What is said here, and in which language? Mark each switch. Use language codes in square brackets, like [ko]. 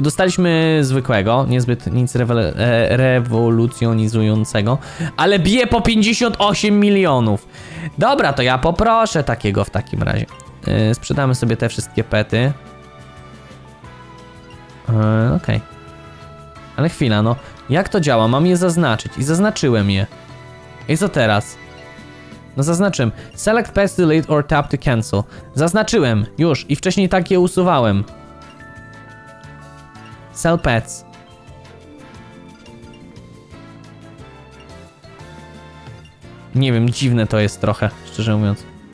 [pl] Dostaliśmy zwykłego, niezbyt nic rewolucjonizującego, ale bije po 58 milionów. Dobra, to ja poproszę takiego w takim razie. Sprzedamy sobie te wszystkie pety. Okej. Ale chwila, no, jak to działa? Mam je zaznaczyć i zaznaczyłem je. I co teraz? No zaznaczyłem. [en] Select pet, delete or tap to cancel. [pl] Zaznaczyłem, już, i wcześniej tak je usuwałem. [en] Sell pets. [pl] Nie wiem, dziwne to jest trochę, szczerze mówiąc.